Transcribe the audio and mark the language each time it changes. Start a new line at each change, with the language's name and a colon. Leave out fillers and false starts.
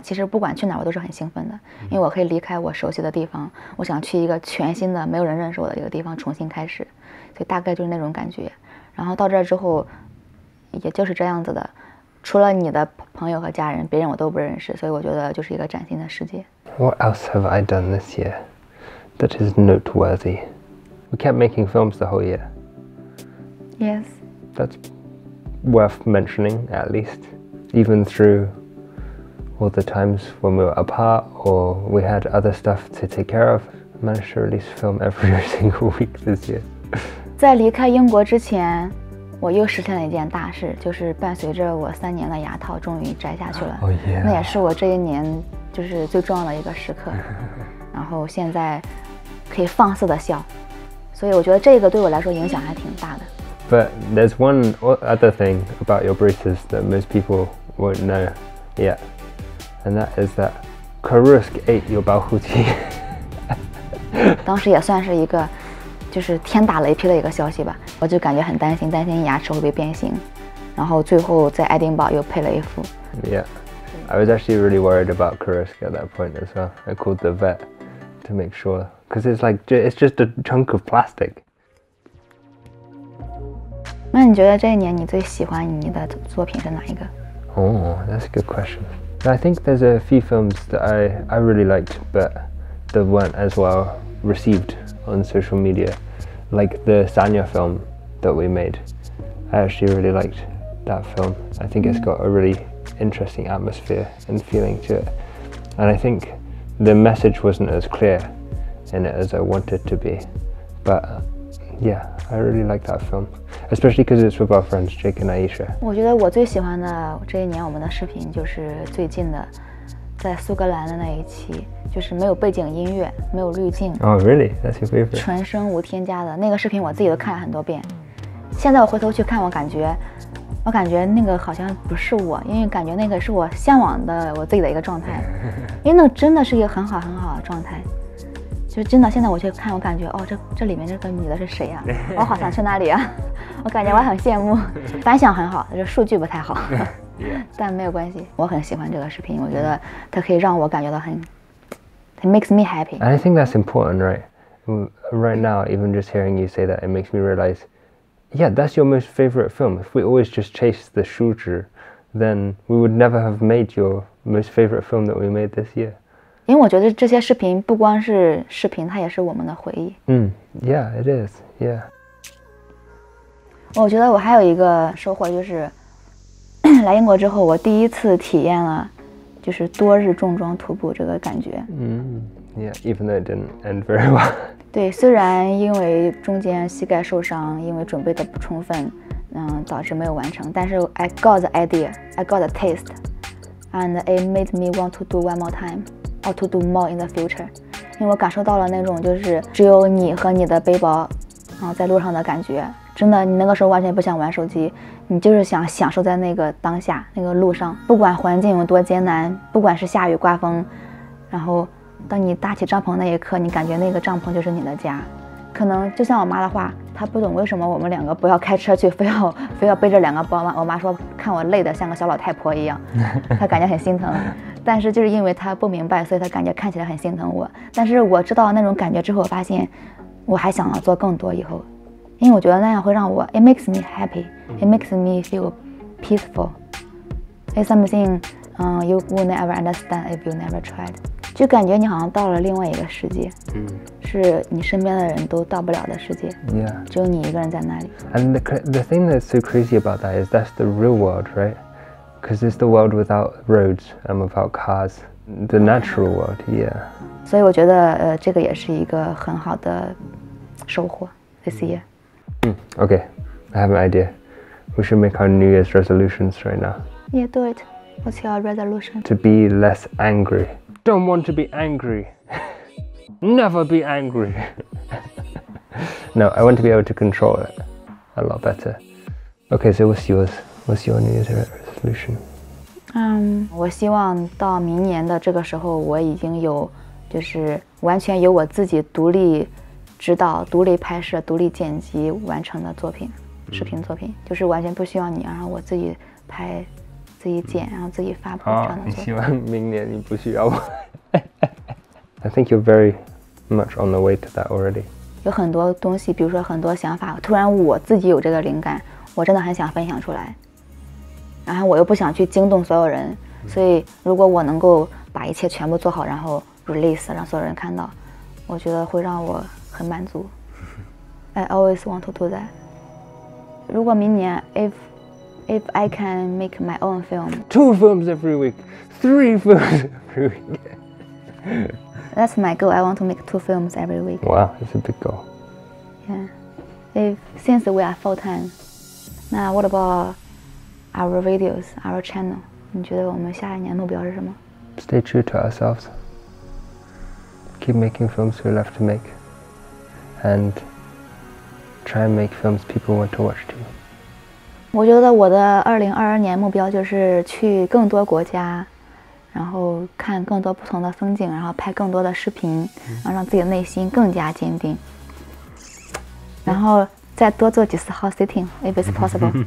Chinese: 其实不管去哪儿，我都是很兴奋的，因为我可以离开我熟悉的地方，我想去一个全新的、没有人认识我的一个地方重新开始，所以大概就是那种感觉。然后到这儿之后，也就是这样子的，除了你的朋友和家人，别人我都不认识，所以我觉得就是一个崭新的世界。
English: What else have I done this year that is noteworthy? We kept making films the whole year. Yes. That's worth mentioning, at least. Even through all the times when we were apart or we had other stuff to take care of, I managed to release film every single week this year.
Chinese: 在离开英国之前，我又实现了一件大事，就是伴随着我三年的牙套终于摘下去了。
English: Oh, yeah.
Chinese: 那也是我这一年就是最重要的一个时刻。然后现在可以放肆的笑。所以我觉得这个对我来说影响还挺大的。
English: But there's one other thing about your braces that most people won't know yet, and that is that Karusk ate your 保护漆。
Chinese: 当时也算是一个，就是天打雷劈的一个消息吧。我就感觉很担心，担心牙齿会被变形，然后最后在爱丁堡又配了一副。
English: Yeah, I was actually really worried about Karusk at that point as well. I called the vet to make sure. Because it's like, it's just a chunk of plastic.
Chinese: 那你觉得这一年你最喜欢你的作品是哪一个？
English: Oh, that's a good question. I think there's a few films that I really liked, but that weren't as well received on social media. Like the Sanya film that we made. I actually really liked that film. I think it's got a really interesting atmosphere and feeling to it. And I think the message wasn't as clear. In it as I wanted to be. But yeah, I really like that film. Especially because it's with our friends, Jake and Aisha.
Chinese: 我觉得我最喜欢的这一年我们的视频就是最近的在苏格兰的那一期，就是没有背景音乐，没有滤镜。
English: Oh, really? That's your favorite?
Chinese: 纯声无添加的那个视频我自己都看了很多遍。现在我回头去看，我感觉那个好像不是我，因为感觉那个是我向往的我自己的一个状态。因为那真的是一个很好很好的状态。就真的，现在我去看，我感觉哦，这里面这个女的是谁呀、啊？我好想去那里啊！我感觉我很羡慕，反响很好，这数据不太好，但没有关系。我很喜欢这个视频，我觉得它可以让我感觉到很 ，
English: it makes me happy. And I think that's important, right? Right now, even just hearing you say that, it makes me realize, yeah, that's your most favorite film. If we always just chase the 数据 then we would never have made your most favorite film that we made this year.
Chinese: 因为我觉得这些视频不光是视频，它也是我们的回忆。
English: Yeah, it is. Yeah.
Chinese: 我觉得我还有一个收获就是，来英国之后，我第一次体验了就是多日重装徒步这个感觉。
English: Yeah, even though it didn't end very well.
Chinese: 对，虽然因为中间膝盖受伤，因为准备的不充分，导致没有完成。但是
English: I got the idea, I got the taste, and it made me want to do one more time. Or to do more in the future,
Chinese: 因为我感受到了那种就是只有你和你的背包，然后在路上的感觉。真的，你那个时候完全不想玩手机，你就是想享受在那个当下、那个路上，不管环境有多艰难，不管是下雨刮风，然后当你搭起帐篷那一刻，你感觉那个帐篷就是你的家。可能就像我妈的话，她不懂为什么我们两个不要开车去，非要背着两个包吗？我妈说看我累得像个小老太婆一样，她感觉很心疼。但是就是因为她不明白，所以她感觉看起来很心疼我。但是我知道那种感觉之后，我发现我还想要做更多以后，因为我觉得那样会让我
English: it makes me happy, it makes me feel peaceful. It's something, you will never understand if you never tried.
Chinese: 就感觉你好像到了另外一个世界，是你身边的人都到不了的世界，
English: yeah.
Chinese: 只有你一个人在那里。
English: And the thing that's so crazy about that is that's the real world, right? Because it's the world without roads and without cars, the natural world, yeah.
Chinese: 所以我觉得这个也是一个很好的收获
English: this year. Okay, I have an idea. We should make our New Year's resolutions right now. Yeah, do it. What's your resolution? To be less angry. Don't want to be angry. Never be angry. No, I want to be able to control it a lot better. Okay, so what's yours? What's your New Year's resolution?
Chinese: 我希望到明年的这个时候，我已经有就是完全由我自己独立指导、独立拍摄、独立剪辑完成的作品、嗯、视频作品，就是完全不需要你，然后我自己拍、自己剪，嗯、然后自己发布这样的作品。你希望明年你不需要我？
English: I think you're very much on the way to that already。
Chinese: 有很多东西，比如说很多想法，突然我自己有这个灵感，我真的很想分享出来，然后我又不想去惊动所有人，所以如果我能够把一切全部做好，然后 release 让所有人看到，我觉得会让我很满足。
English: I always want to do that.
Chinese: 如果明年
English: if I can make my own film, two films every week, three films every week. That's my goal. I want to make two films every week. Wow, that's a big goal. Yeah. If since we are full time, now what about our videos, our channel?
Chinese: 你觉得我们下一年目标是什么？
English: Stay true to ourselves. Keep making films we love to make. And try and make films people want to watch too.
Chinese: 我觉得我的2022年目标就是去更多国家，然后看更多不同的风景，然后拍更多的视频，然后让自己的内心更加坚定。然后再多做几次
English: house sitting, if it's possible.